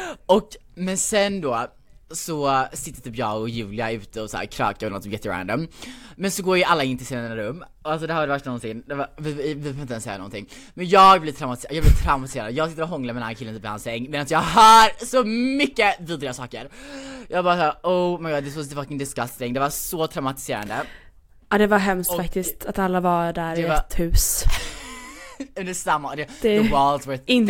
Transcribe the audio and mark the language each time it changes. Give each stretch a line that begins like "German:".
Swedish: Och, men sen då så sitter typ jag och Julia ute och så här krakar och något jätterandom. Men så går ju alla in till sina rum. Alltså det här var det värsta någonsin. Det var, vi får inte ens säga någonting. Men jag blir traumatiserad. Jag sitter och hånglar med den här killen typ i hans säng medan jag hör så mycket vidriga saker. Jag bara såhär,
English: oh my god, this was fucking disgusting.
Swedish: Det var så traumatiserande. Ja, det var hemskt och, faktiskt att alla var där i var... ett hus. Under samma,
English: the walls were thin.